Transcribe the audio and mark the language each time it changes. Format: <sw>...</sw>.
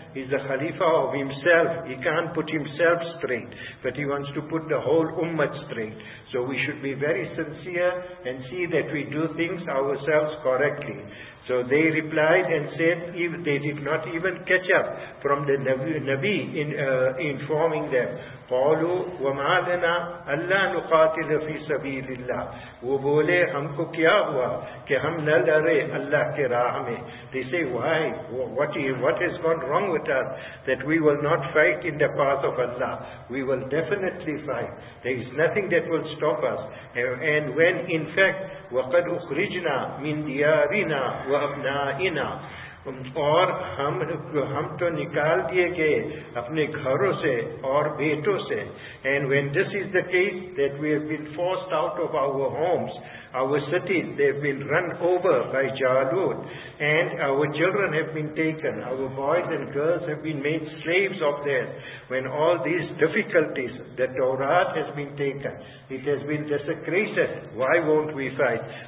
<en>He's the Khalifa of himself. He can't put himself straight. But he wants to put the whole Ummah straight. So we should be very sincere and see that we do things ourselves correctly. So they replied and said, if they did not even catch up from the Nabi in informing them.</en> <ar>قالوا وما لنا الا نقاتل في سبيل الله.</ar> <ur>وہ بولے ہم کو کیا ہوا کہ ہم نہ لڑے اللہ کے راہ میں.</ur> <en>They say, why? What has gone wrong with us that we will not fight in the path of Allah? We will definitely fight. There is nothing that will stop us. And when in fact,</en> <ar>وَقَدْ أُخْرِجْنَا مِنْ دِيَارِنَا وَأَبْنَائِنَا.</ar> <ur>اور ہم تو نکال دیے گئے اپنے گھروں سے اور بیٹوں سے.</ur> <en>And when this is the case that we have been forced out of our homes, our cities, they have been run over by Jalut, and our children have been taken, our boys and girls have been made slaves of theirs. When all these difficulties, the Torah has been taken, it has been desecrated, why won't we fight?</en>